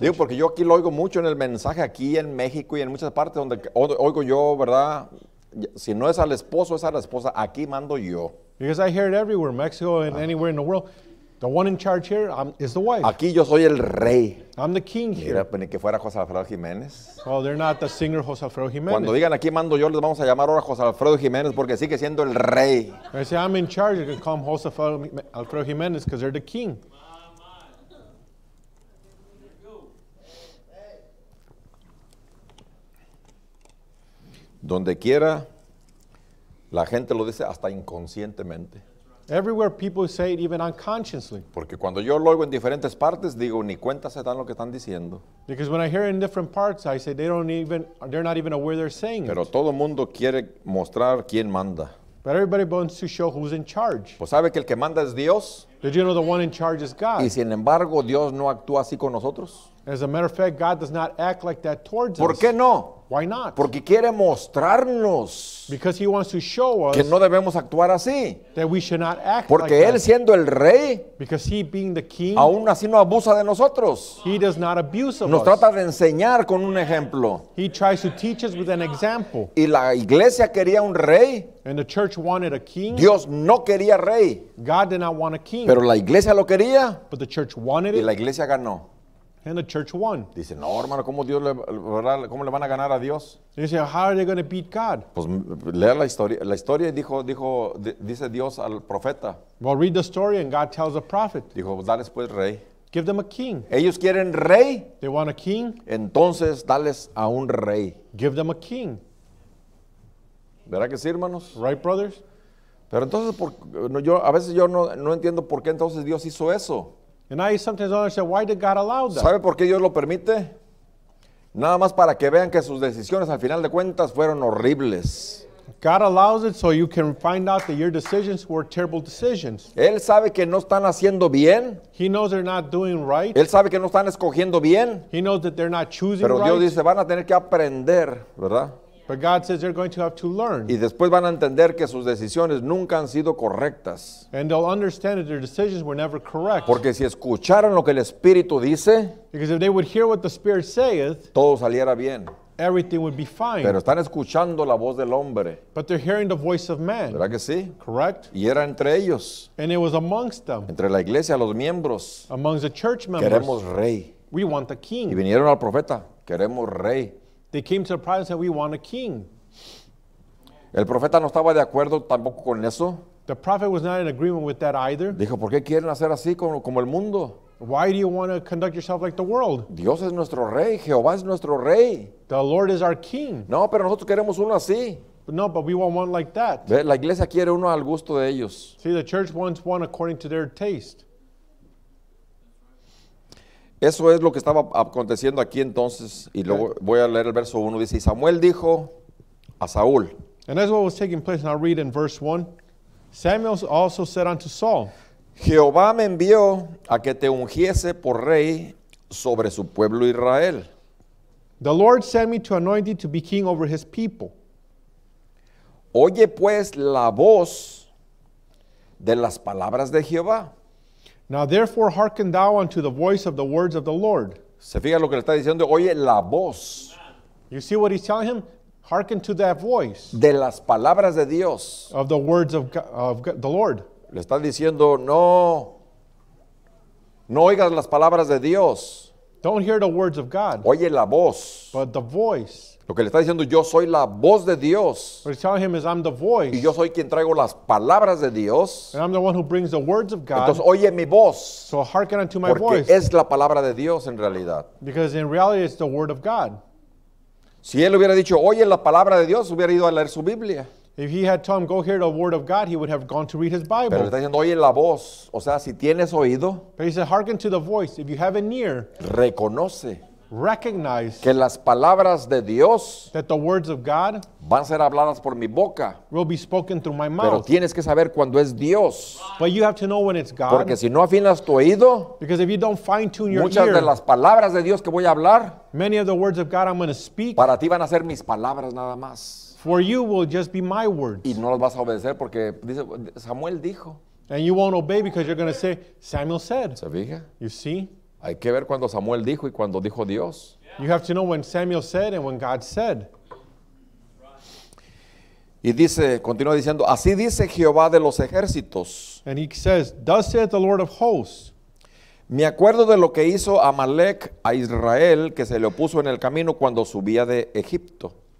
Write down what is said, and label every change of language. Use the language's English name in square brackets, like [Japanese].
[Spanish] Digo, porque yo aquí lo oigo mucho en el mensaje, aquí en México y en muchas partes donde oigo yo, ¿verdad? Si no es al esposo, es a la esposa, aquí mando yo. [English] Because I hear it everywhere, Mexico and anywhere in the world. The one in charge here is the wife. [Spanish] Aquí yo soy el rey. [English] I'm the king here. [Spanish] Mira, ni que fuera José Alfredo Jiménez. [English] Oh, they're not the singer José Alfredo Jiménez. [Spanish] Cuando digan aquí mando yo, les vamos a llamar ahora José Alfredo Jiménez porque sigue siendo el rey. [English] They say I'm in charge, you can call him José Alfredo Jiménez because they're the king. [Spanish] Donde quiera, la gente lo dice hasta inconscientemente. [English] Everywhere people say it even unconsciously. [Spanish] Porque cuando yo lo oigo en diferentes partes, digo, ni cuenta se dan lo que están diciendo. [English] Because when I hear it in different parts, I say they're not even aware they're saying [Spanish] Pero [English] it. [Spanish] Pero todo mundo quiere mostrar quién manda. [English] But everybody wants to show who's in charge. [Spanish] Pues sabe que el que manda es Dios. [English] Did you know the one in charge is God? [Spanish] Y sin embargo, Dios no actúa así con nosotros. [English] As a matter of fact, God does not act like that towards us. [Spanish] ¿Por qué no? [English] Why not? [Spanish] Porque quiere mostrarnos. [English] Because he wants to show us. [Spanish] Que no debemos actuar así. [English] That we should not act [Spanish] Porque [English] like [Spanish] él [English] that. [Spanish] Siendo el rey. [English] Because he being the king. [Spanish] Aún así no abusa de nosotros. [English] He does not abuse of [Spanish] Nos [English] us. [Spanish] Trata de enseñar con un ejemplo. [English] He tries to teach us with an example. [Spanish] Y la iglesia quería un rey. [English] And the church wanted a king. [Spanish] Dios no quería rey. [English] God did not want a king. [Spanish] Pero la iglesia lo quería. [English] But the church wanted [Spanish] y [English] it. [Spanish] Y la iglesia ganó. [English] And the church won. [Spanish] Dice, no, hermano, ¿cómo Dios le, verdad, cómo le van a ganar a Dios? [English] He said, how are they going to beat God? [Spanish] Pues lea la historia y dice Dios al profeta. [English] Well, read the story and God tells the prophet. [Spanish] Dijo, dales pues rey. [English] Give them a king. [Spanish] Ellos quieren rey. [English] They want a king. [Spanish] Entonces, dales a un rey. [English] Give them a king. [Spanish] ¿Verdad que sí, hermanos? [English] Right, brothers? [Spanish] Pero entonces, yo a veces no entiendo por qué entonces Dios hizo eso. [English] And I sometimes understand why did God allow that? [Spanish] ¿Sabe por qué Dios lo permite? Nada más para que vean que sus decisiones al final de cuentas fueron horribles. [English] God allows it so you can find out that your decisions were terrible decisions. [Spanish] Él sabe que no están haciendo bien. [English] He knows they're not doing right. [Spanish] Él sabe que no están escogiendo bien. [English] He knows that they're not choosing [Spanish] Pero Dios [English] right. [Spanish] dice, van a tener que aprender, ¿verdad? [English] But God says they're going to have to learn. [Spanish] Y después van a entender que sus decisiones nunca han sido correctas. [English] And they'll understand that their decisions were never correct. [Spanish] Porque si escucharan lo que el Espíritu dice, [English] because if they would hear what the Spirit saith, [Spanish] todo saliera bien. [English] Everything would be fine. [Spanish] Pero están escuchando la voz del hombre. [English] But they're hearing the voice of man. [Spanish] ¿Verdad que sí? [English] Correct. [Spanish] Y era entre ellos. [English] And it was amongst them. [Spanish] Entre la iglesia, los miembros. [English] Amongst the church members. [Spanish] Queremos rey. [English] We want a king. [Spanish] Y vinieron al profeta. Queremos rey. [English] They came to the prophet and said, we want a king. [Spanish] El profeta no estaba de acuerdo tampoco con eso. [English] The prophet was not in agreement with that either. [Spanish] Dijo, ¿por qué quieren hacer así como el mundo? [English] Why do you want to conduct yourself like the world? [Spanish] Dios es nuestro rey. Jehová es nuestro rey. [English] The Lord is our king. [Spanish] No, pero nosotros queremos uno así. [English] No, but we want one like that. [Spanish] La iglesia quiere uno al gusto de ellos. [English] See, the church wants one according to their taste. [Spanish] Eso es lo que estaba aconteciendo aquí entonces, y luego voy a leer el verso 1, dice, y Samuel dijo a Saúl. [English] And that's what was taking place, and I'll read in verse 1. Samuel also said unto Saul, [Spanish] Jehová me envió a que te ungiese por rey sobre su pueblo Israel. [English] The Lord sent me to anoint thee to be king over his people. [Spanish] Oye pues la voz de las palabras de Jehová. [English] Now therefore hearken thou unto the voice of the words of the Lord. [Spanish] Se fija lo que le está diciendo, oye la voz. [English] You see what he's telling him? Hearken to that voice. [Spanish] De las palabras de Dios. [English] Of the words of God, the Lord. [Spanish] Le está diciendo, no oigas las palabras de Dios. [English] Don't hear the words of God. [Spanish] Oye la voz. [English] But the voice. [Spanish] Lo que le está diciendo, yo soy la voz de Dios. [English] What he's telling him is, I'm the voice. [Spanish] Y yo soy quien traigo las palabras de Dios. [English] And I'm the one who brings the words of God. [Spanish] Entonces, oye mi voz. [English] So hearken unto my [Spanish] Porque [English] voice. [Spanish] Porque es la palabra de Dios en realidad. [English] Because in reality, it's the word of God. [Spanish] Si él hubiera dicho, oye la palabra de Dios, hubiera ido a leer su Biblia. [English] If he had told him, go hear the word of God, he would have gone to read his Bible. [Spanish] Pero le está diciendo, oye la voz. O sea, si tienes oído. [English] But he said, hearken to the voice. If you have an ear. [Spanish] Reconoce. [English] Recognize [Spanish] que las palabras de Dios [English] that the words of God [Spanish] van a ser habladas por mi boca [English] will be spoken through my mouth. [Spanish] Pero tienes que saber cuando es Dios. [English] But you have to know when it's God. [Spanish] Porque si no afinas tu oído, [English] because if you don't fine-tune your [Spanish] muchas [English] ear, [Spanish] de las palabras de Dios que voy a hablar, [English] many of the words of God I'm going to speak, [Spanish] para ti van a ser mis palabras nada más. [English] For you will just be my words. [Spanish] Y no las vas a obedecer porque dice, Samuel dijo. [English] And you won't obey because you're going to say, Samuel said. [Spanish] ¿Se fija? [English] You see? [Spanish] Hay que ver cuando Samuel dijo y cuando dijo Dios. [English] You have to know when Samuel said and when God said. [Spanish] Y dice, continúa diciendo, así dice Jehová de los ejércitos. [English] And he says, thus saith the Lord of hosts. [Spanish] Me acuerdo de lo que hizo Amalek a Israel, que se le opuso en el camino cuando subía de Egipto.